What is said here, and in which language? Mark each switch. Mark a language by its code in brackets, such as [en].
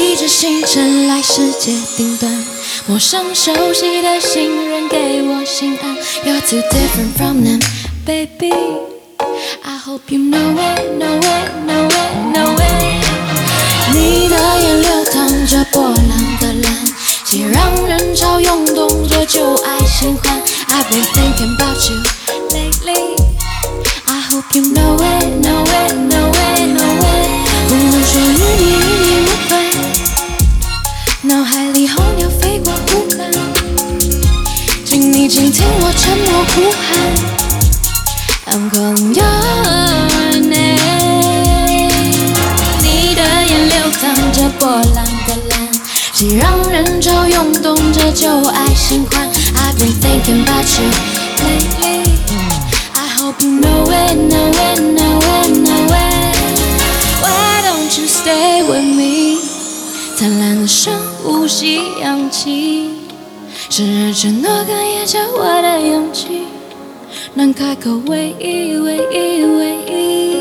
[zh] 星辰来世界顶端，陌生熟悉的信任给我心安。 [en] You're too different from them, baby. I hope you know it, know it, know it, know it. [zh] 你的眼流淌着波浪的蓝，熙攘人潮涌动着旧爱新欢。 [en] I've been thinking about you lately. I hope you know it, know it, know it, know it. [zh] 不能说与你与你无关。脑海里候鸟飞过湖畔，请你倾听我沉默呼喊。 [en] I'm calling your name。 [zh] 你的眼流淌着波浪的蓝，熙攘人潮涌动着旧爱新欢。 [en] I've been thinking about you lately。 I hope you know it, know it, know it, know it。 Why don't you stay with me? [zh] 灿烂的深呼吸氧气，时而沉默哽咽着我的勇气，能开口唯一唯一唯一。